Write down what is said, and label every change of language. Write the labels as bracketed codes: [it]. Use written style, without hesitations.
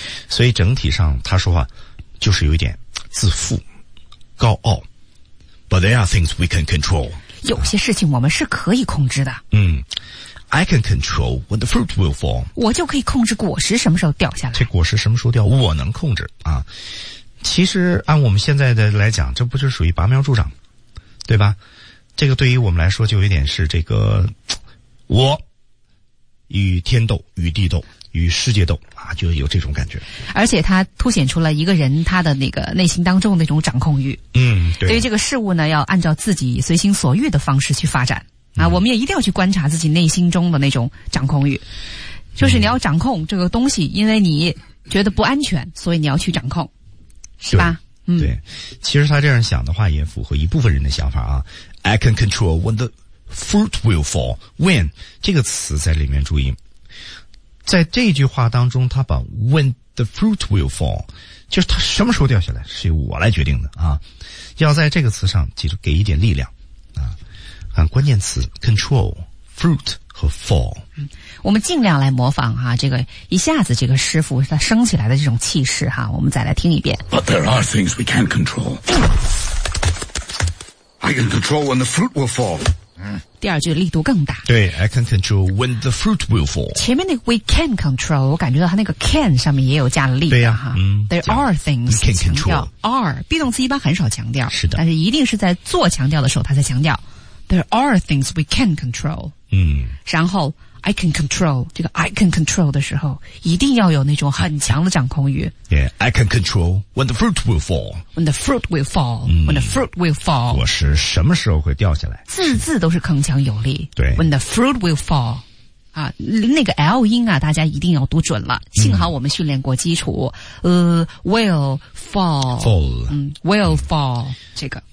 [zh] 所以整体上他说话就是有一点自负、高傲。 [en] But there are things we can control。 [zh] 有些事情我们是可以控制的。嗯。 [en] I can control when the fruit will fall. [zh] 我就可以控制果实什么时候掉下来。这果实什么时候掉，我能控制啊。其实按我们现在的来讲，这不就属于拔苗助长，对吧？这个对于我们来说就有点是这个我与天斗，与地斗，与世界斗啊，就有这种感觉。而且它凸显出了一个人他的那个内心当中的那种掌控欲。嗯，对。对于这个事物呢，要按照自己随心所欲的方式去发展。啊，我们也一定要去观察自己内心中的那种掌控欲，就是你要掌控这个东西，因为你觉得不安全，所以你要去掌控，是吧？嗯，对。其实他这样想的话，也符合一部分人的想法啊。 [en] I can control when the fruit will fall. [zh] When 这个词在里面注意，在这句话当中，他把 [en] when the fruit will fall， [zh] 就是它什么时候掉下来，是由我来决定的啊。要在这个词上记住给一点力量。关键词 control, fruit 和 fall。嗯，我们尽量来模仿哈，这个一下子这个师傅他升起来的这种气势哈，我们再来听一遍。 [en] But there are things we can't control. I can control when the fruit will fall. [zh] 嗯，第二句力度更大。对 [en] ，I can control when the fruit will fall. [zh] 前面那个 [en] we can control， [zh] 我感觉到他那个 can 上面也有加了力。对呀，哈。 [en] There are things can control. [zh] Are be 动词一般很少强调。是的。但是一定是在做强调的时候，他才强调。 [en] There are things we can control. [zh] 嗯，然后 [en] I can control [zh] 这个 I can control 的时候，一定要有那种很强的掌控欲。 [en] Yeah, I can control when the fruit will fall. When the fruit will fall.、 [zh] 嗯、 [en] when the fruit will fall. [zh] 果实什么时候会掉下来？字字都是铿锵有力。对。 [en] When the fruit will fall. [zh] 啊，那个 L 音啊，大家一定要读准了。幸好我们训练过基础。 [en] Will fall. Fall. 嗯 ，will fall、嗯、这个。